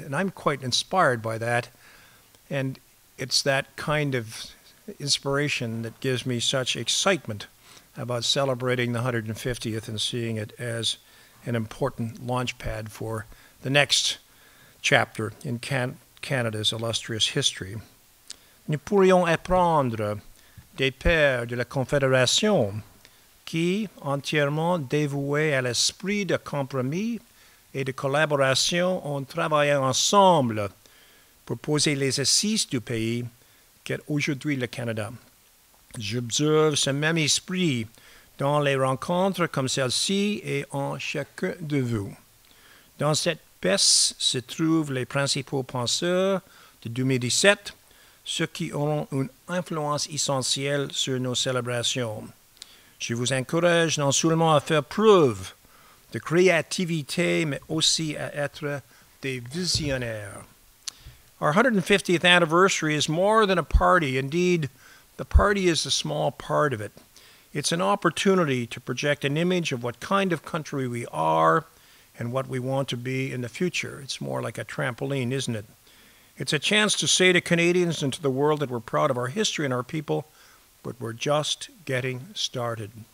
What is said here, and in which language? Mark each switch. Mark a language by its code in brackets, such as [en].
[en] And I'm quite inspired by that. And it's that kind of inspiration that gives me such excitement about celebrating the 150th and seeing it as an important launch pad for the next chapter in Canada's illustrious history. [fr] Nous pourrions apprendre des pères de la Confédération qui, entièrement dévoués à l'esprit de compromis et de collaboration, ont travaillé ensemble pour poser les assises du pays qu'est aujourd'hui le Canada. J'observe ce même esprit dans les rencontres comme celle-ci et en chacun de vous. Dans cette pièce se trouvent les principaux penseurs de 2017, ceux qui auront une influence essentielle sur nos célébrations. Je vous encourage non seulement à faire preuve de créativité, mais aussi à être des visionnaires. [en] Our 150th anniversary is more than a party. Indeed, the party is a small part of it. It's an opportunity to project an image of what kind of country we are and what we want to be in the future. It's more like a trampoline, isn't it? It's a chance to say to Canadians and to the world that we're proud of our history and our people, but we're just getting started.